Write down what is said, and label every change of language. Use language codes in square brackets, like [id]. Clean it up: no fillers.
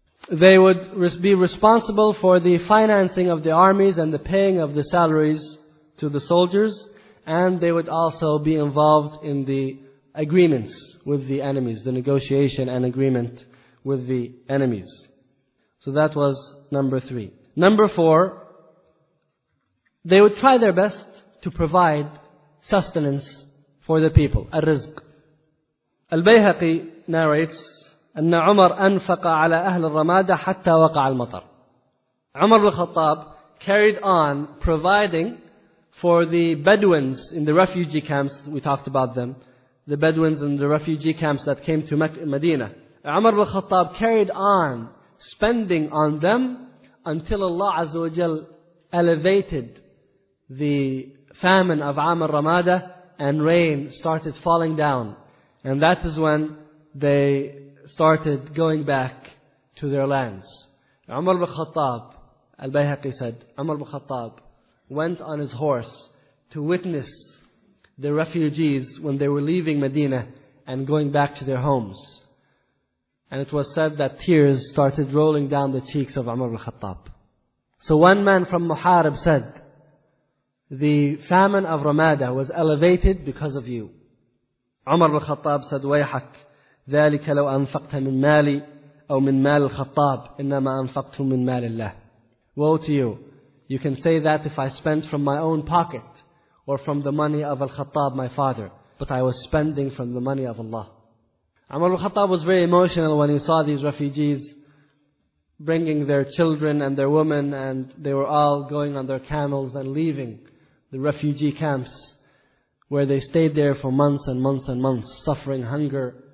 [en] They would be responsible for the financing of the armies and the paying of the salaries to the soldiers, and they would also be involved in the agreements with the enemies, the negotiation and agreement with the enemies. So that was number three. Number four, they would try their best to provide sustenance for the people, al-rizq. Al-Bayhaqi narrates, [ar] أَنَّ عُمَرْ أَنْفَقَ عَلَىٰ أَهْلِ الرَّمَادَ حَتَّى وَقَعَ الْمَطَرِ. [en] Umar al-Khattab carried on providing for the Bedouins in the refugee camps. We talked about them, the Bedouins in the refugee camps that came to Medina. Umar al-Khattab carried on spending on them until Allah Azza wa Jal elevated the famine of Aam al-Ramada and rain started falling down. And that is when they started going back to their lands. Umar ibn Khattab, Al-Bayhaqi said, Umar ibn Khattab went on his horse to witness the refugees when they were leaving Medina and going back to their homes. And it was said that tears started rolling down the cheeks of Umar ibn Khattab. So one man from Muharib said, the famine of Ramada was elevated because of you. Umar ibn Khattab said, Wayhak. [ar] ذلك لو أنفقت من مالي أو من مال الخطاب إنما أنفقت من مال الله. [en] Woe to you. You can say that if I spent from my own pocket or from the money of Al-Khattab, my father. But I was spending from the money of Allah. Umar al-Khattab was very emotional when he saw these refugees bringing their children and their women, and they were all going on their camels and leaving the refugee camps where they stayed there for months and months and months, suffering hunger.